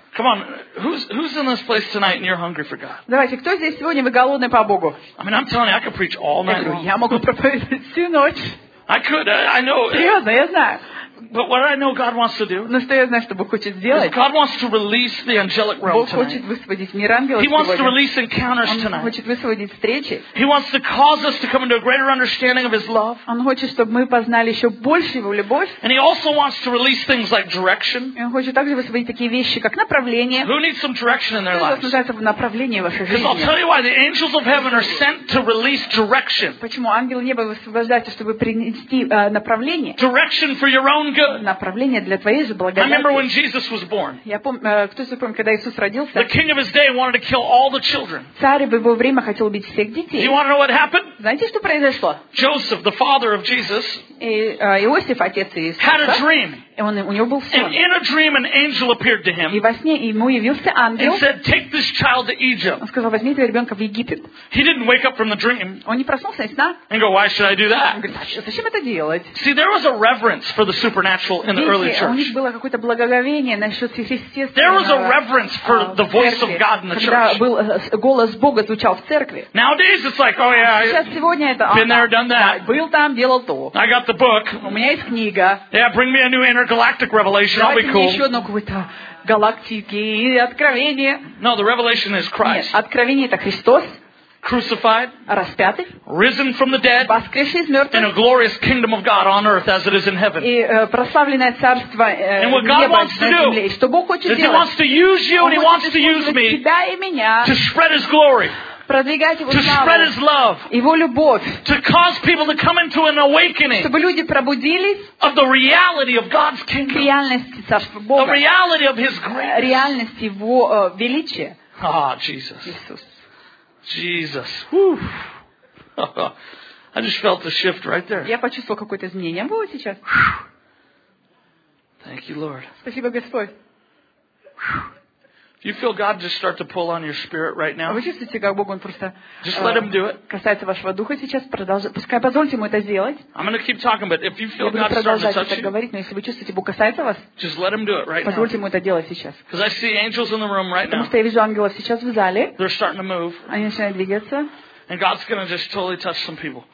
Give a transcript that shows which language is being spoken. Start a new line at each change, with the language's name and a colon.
English: Come on, who's in this place tonight and you're hungry for God?
Russian: Давайте, кто здесь сегодня, вы голодны по Богу?
English: I mean, I'm telling you, I could preach all night long.
Russian: Я могу проповедовать всю ночь.
English: I could, I know.
Russian: Серьезно, я знаю.
English: But what I know God wants to do,
Russian: но что я знаю, что Бог хочет сделать,
English: God wants to release the angelic realm tonight.
Russian: Бог хочет высвободить мир ангелов сегодня.
English: He wants to release encounters tonight.
Russian: Он хочет высвободить встречи.
English: He wants to cause us to come into a greater understanding of His love.
Russian: Он хочет, чтобы мы познали еще больше Его любовь.
English: And He also wants to release things like direction.
Russian: И Он хочет также высвободить такие вещи, как направление.
English: Who needs some direction in their lives?
Russian: Кто нуждается в направлении в вашей жизни?
English: Because I'll tell you why. The angels of heaven are sent to release direction.
Russian: Почему ангелы неба высвобождаются, чтобы принести направление?
English: Direction for your own
Russian: направление для твоей же благодати.
English: I remember when Jesus was born.
Russian: Я помню, кто же помнит, когда Иисус родился?
English: The king of his day wanted to kill all the children.
Russian: Царь в его время хотел убить всех детей.
English: You want to know what happened?
Russian: Знаете, что произошло?
English: Joseph, the father of Jesus,
Russian: Иосиф, отец Иисуса,
English: had a dream.
Russian: У него был сон.
English: And in a dream, an angel appeared to him.
Russian: И во сне ему явился ангел.
English: And said, "Take this child to Egypt."
Russian: Он сказал, возьми этого ребенка в Египет.
English: He didn't wake up from the dream.
Russian: Он не проснулся из сна.
English: And go, "Why should I do that?"
Russian: Он говорит, зачем это делать?
English: See, there was a reverence for the supernatural in the early church.
Russian: У них было какое-то благоговение насчет сверхъестественного.
English: There was a reverence for the voice of God in the church.
Russian: Когда был голос Бога звучал в церкви.
English: Nowadays, it's like, "Oh yeah."
Russian: Сейчас сегодня это.
English: Been there, done that.
Russian: Был там, делал то.
English: I got the book.
Russian: У меня есть книга.
English: Yeah, bring me a new intergalactic revelation. I'll be cool.
Russian: Еще одно какое-то галактики откровение.
English: No, the revelation is Christ.
Russian: Нет, откровение это Христос.
English: Crucified,
Russian: распятый,
English: risen from the dead,
Russian: воскресший из мертвых,
English: and a glorious kingdom of God on earth as it is in heaven.
Russian: И прославленное царство неба на земле.
English: And what God wants to do is He wants to use you and He wants to use me to spread His glory.
Russian: Продвигать Его славу, Его любовь,
English: to cause people to come into an awakening,
Russian: чтобы люди пробудились
English: of the reality of God's kingdom,
Russian: к реальности Царства Бога,
English: the reality of His grace,
Russian: реальность Его величия.
English: Ah, Jesus.
Russian: Иисус.
English: Jesus. Whew. I just felt the shift right there.
Russian: Я почувствовал какое-то изменение. Вот сейчас.
English: Thank you, Lord.
Russian: Спасибо, Господь.
English: You feel God just start to pull on your spirit right now?
Russian: Вы чувствуете, как Бог он просто
English: just let him do it.
Russian: Касается вашего духа сейчас, продолжайте. Пускай позвольте ему это сделать.
English: I'm going to keep talking, but if you feel God starting to touch you,
Russian: я буду продолжать говорить, но если вы чувствуете, Бог касается вас,
English: just let him do it right now.
Russian: Позвольте ему это делать сейчас.
English: Because I see angels in the room right now.
Russian: Потому что я вижу ангелов сейчас в зале.
English: They're starting to move.
Russian: Они начинают двигаться.
English: And God's going to just totally touch some people.